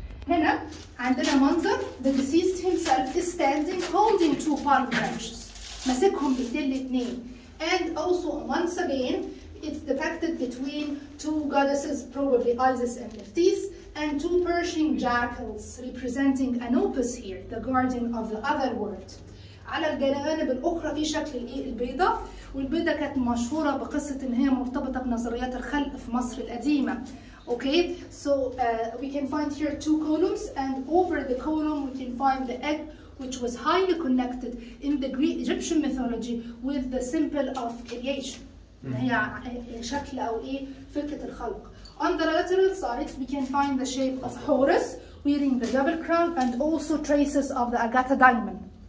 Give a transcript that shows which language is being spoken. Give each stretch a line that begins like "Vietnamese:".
English: هنا عندنا منظر the deceased himself is standing holding two palm branches.
Arabic: ماسكهم بإيدين الاثنين.
English: And also once again, it's depicted between two goddesses, probably Isis and Nephthys. And two Persian jackals representing Anubis here, the guardian of the other world.
Arabic: على الجوانب الأخرى في شكل الإيه البيضة، والبيضة كانت مشهورة بقصة إن هي مرتبطة بنظريات الخلق في مصر القديمة.
English: Okay, so we can find here two columns, and over the column we can find the egg, which was highly connected in the Greek Egyptian mythology with the symbol of creation.
Arabic: هي شكل أو إيه فكرة الخلق.
English: On the lateral sides, we can find the shape of Horus wearing the double crown and also traces of the Agatha diamond.